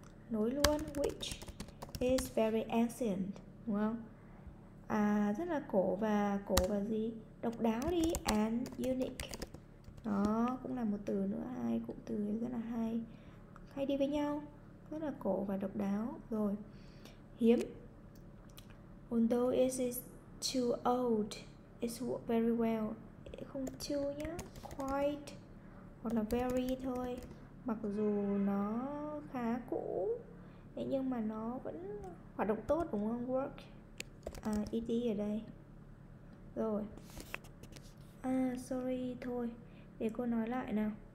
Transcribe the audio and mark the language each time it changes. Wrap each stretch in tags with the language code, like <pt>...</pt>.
<vi>Nối luôn,</vi> <en>which is very ancient,</en> <vi>đúng không? À, rất là cổ và gì? Độc đáo đi,</vi> <en>and unique.</en> <vi>Đó, cũng là một từ nữa, hai cụm từ rất là hay. Hay đi với nhau, rất là cổ và độc đáo. Rồi, hiếm.</vi> <en>Although it is too old, it's very well.</en> <vi>Không too nhá, quite, hoặc là very thôi. Mặc dù nó khá cũ, nhưng mà nó vẫn hoạt động tốt đúng không? Work ED ở đây. Rồi. À, sorry thôi. Để cô nói lại nào.</vi>